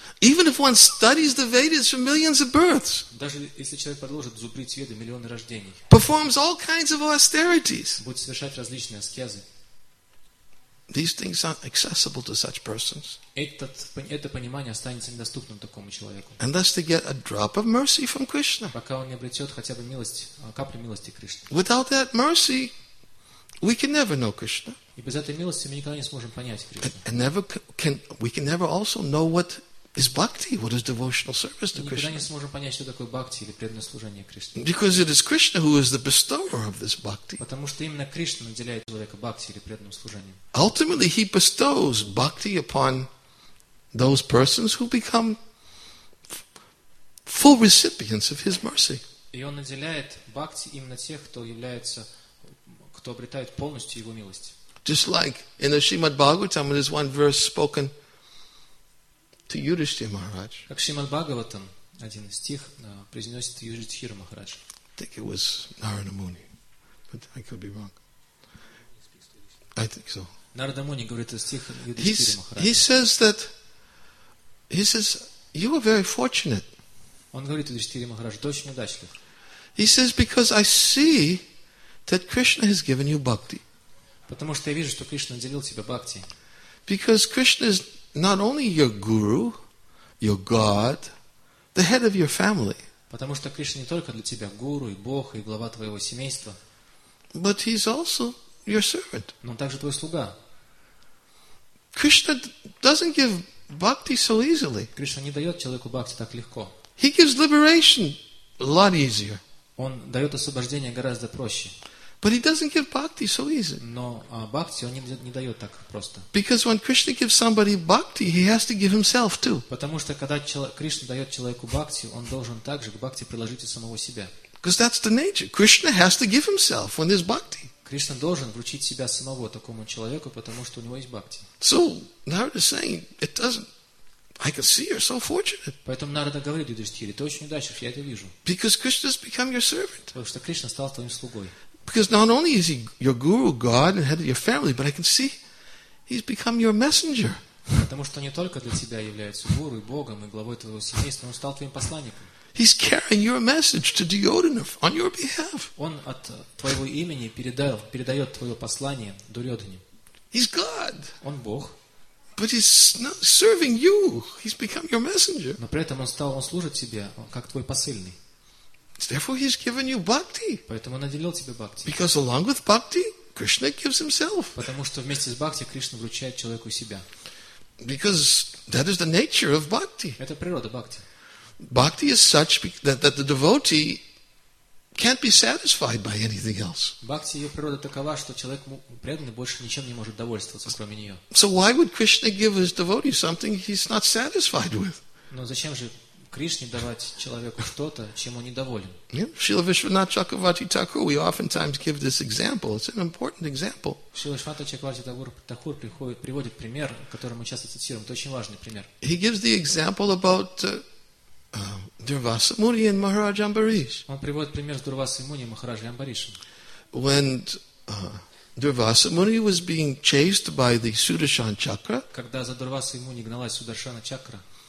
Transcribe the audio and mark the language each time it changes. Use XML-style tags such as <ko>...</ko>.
<en>Even if one studies the Vedas for millions of births,</en> <ru>даже если человек продолжит зубрить Веды миллионы рождений,</ru> <en>performs all kinds of austerities,</en> <ru>будет совершать различные аскезы,</ru> <en>these things aren't accessible to such persons.</en> <ru>Это понимание останется недоступным такому человеку.</ru> <en>Unless they get a drop of mercy from Krishna.</en> <ru>Пока он не обретет хотя бы милость, каплю милости Кришны.</ru> <en>Without that mercy, we can never know Krishna.</en> <ru>И без этой милости мы никогда не сможем понять Кришну.</ru> <en>And never can we can never also know what is bhakti, what is devotional service to Krishna.</en> <ru>И никогда не сможем понять, что такое бхакти или преданное служение Кришне.</ru> <en>Because it is Krishna who is the bestower of this bhakti.</en> <ru>Потому что именно Кришна наделяет человека бхакти или преданным служением.</ru> <en>Ultimately, he bestows bhakti upon those persons who become full recipients of his mercy.</en> <ru>И он наделяет бхакти именно тех, кто является, кто обретает полностью его милость.</ru> <en>Just like in the Srimad Bhagavatam, there is one verse spoken to Yudhishthira Maharaj.</en> <ru>Как Шримад Бхагаватам один стих произнес Юдхиштхира Махарадж.</ru> <en>I think it was Narada Muni, but I could be wrong. I think so.</en> <ru>Нарада Муни говорит этот стих Юдхиштхира Махараджа.</ru> <en>He says that He says, "You were very fortunate."</en> <ru>Он говорит, Юдиштхира Махарадж, ты очень удачлив.</ru> <en>He says, "Because I see that Krishna has given you bhakti."</en> <ru>Потому что я вижу, что Кришна наделил тебя бхакти.</ru> <en>Because Krishna is not only your guru, your god, the head of your family.</en> <ru>Потому что Кришна не только для тебя гуру и бог и глава твоего семейства.</ru> <en>But he's also your servant.</en> <ru>Но он также твой слуга.</ru> <en>Krishna doesn't give bhakti so easily.</en> <ru>Кришна не дает человеку бхакти так легко.</ru> <en>He gives liberation a lot easier.</en> <ru>Он дает освобождение гораздо проще.</ru> <en>But he doesn't give bhakti so easy.</en> <ru>Но бхакти он не дает так просто.</ru> <en>Because when Krishna gives somebody bhakti, he has to give himself too.</en> <ru>Потому что когда Кришна дает человеку бхакти, он должен также к бхакти приложить и самого себя.</ru> <en>Because that's the nature. Krishna has to give himself when there's bhakti.</en> <ru>Кришна должен вручить себя самого такому человеку, потому что у него есть бхакти.</ru> <en>So Narada is saying, it doesn't. I can see you're so fortunate.</en> <ru>Поэтому Нарада говорит Юдиштхире, ты очень удачлив, я это вижу.</ru> <en>Because Krishna has become your servant.</en> <ru>Потому что Кришна стал твоим слугой.</ru> <en>Because not only is he your guru, God, and head of your family, but I can see he's become your messenger.</en> <ru>Потому что не только для тебя является гуру и богом и главой твоего семейства, он стал твоим посланником.</ru> <en>He's carrying your message to Duryodhana on your behalf.</en> <ru>Он от твоего имени передает твое послание Дурьодхане.</ru> <en>He's God.</en> <ru>Он Бог.</ru> <en>But he's not serving you. He's become your messenger.</en> <ru>Но при этом он служит тебе как твой посыльный.</ru> <en>Therefore, he's given you bhakti.</en> <ru>Поэтому он наделил тебя бхакти.</ru> <en>Because along with bhakti, Krishna gives himself.</en> <ru>Потому что вместе с бхакти Кришна вручает человеку себя.</ru> <en>Because that is the nature of bhakti.</en> <ru>Это природа бхакти.</ru> <en>Bhakti is such that the devotee can't be satisfied by anything else.</en> <ru>Бхакти ее природа такова, что человек преданный больше ничем не может довольствоваться, кроме нее.</ru> <en>So why would Krishna give his devotee something he's not satisfied with?</en> <ru>Но зачем же Кришне давать человеку что-то, чем он недоволен?</ru> <en>Srila Vishwanatha Chakravarti Thakur, we oftentimes give this example. It's an important example.</en> <ru>Srila Vishwanatha Chakravarti Thakur приводит пример, который мы часто цитируем. Это очень важный пример.</ru> <en>He gives the example about Durvasa Muni and Maharaj Ambarish.</en> <ru>Он приводит пример с Дурвасой Муни и Махараджей Амбаришем.</ru> <en>When Durvasa Muni was being chased by the Sudarshan Chakra,</en> <ru>когда за Дурвасой Муни гналась Сударшана Чакра,</ru>